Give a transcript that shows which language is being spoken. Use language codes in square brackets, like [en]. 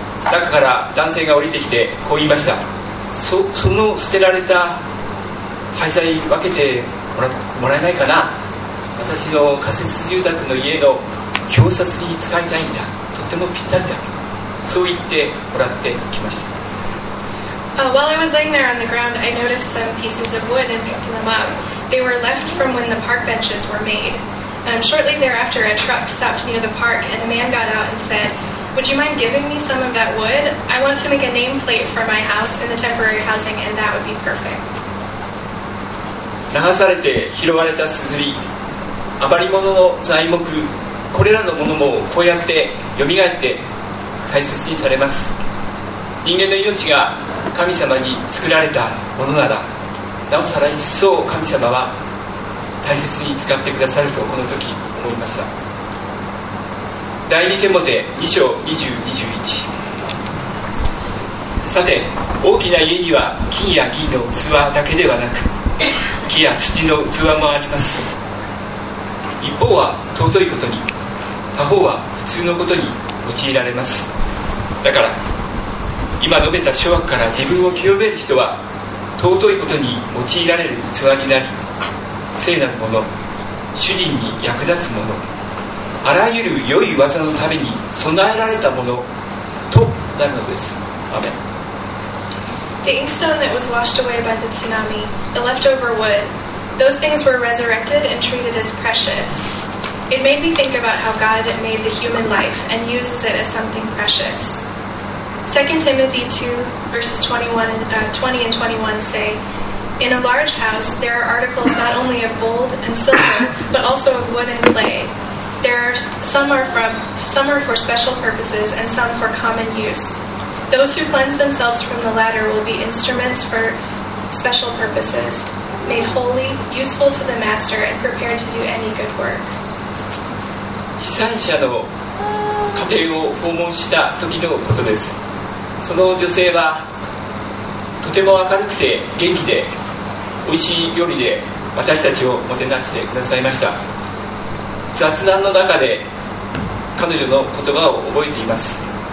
[ja] 中から男性が降りてきてこう言いました。その捨てられた廃材分けてもらえないかな、私の仮設住宅の家の表札に使いたいんだ、とてもぴったりだ、そう言ってもらってきました。 [en] While I was laying there on the ground, I noticed some pieces of wood and picked them up. They were left from when the park benches were made. Shortly thereafter, a truck stopped near the park and a man got out and said,Would you mind giving me some of that wood? I want to make a nameplate for my house in the temporary housing, and that would be perfect. [ja] 流されて拾われた硯、余り物の材木、これらのものもこうやって蘇って大切にされます。人間の命が神様に作られたものなら、なおさら一層神様は大切に使ってくださるとこの時思いました。第2テモテ2章20、21。さて、大きな家には金や銀の器だけではなく、木や土の器もあります。一方は尊いことに、他方は普通のことに用いられます。だから、今述べた諸悪から自分を清める人は尊いことに用いられる器になり、聖なるもの、主人に役立つもの、あらゆる良い技のために備えられたものとなるのです。アメン。 [en] The inkstone that was washed away by the tsunami, the leftover wood, those things were resurrected and treated as precious. It made me think about how God made the human life and uses it as something precious. 2 Timothy 2, verses 20 and 21 say, In a large house, there are articles not only of gold and silver, but also of wood and clay. Some are for special purposes and some for common use. Those who cleanse themselves from the latter will be instruments for special purposes, made holy, useful to the master, and prepared to do any good work. [ja] 被災者の家庭を訪問した時のことです。その女性はとても明るくて元気で、美味しい料理で私たちをもてなしてくださいました。雑談の中で彼女の言葉を覚えています。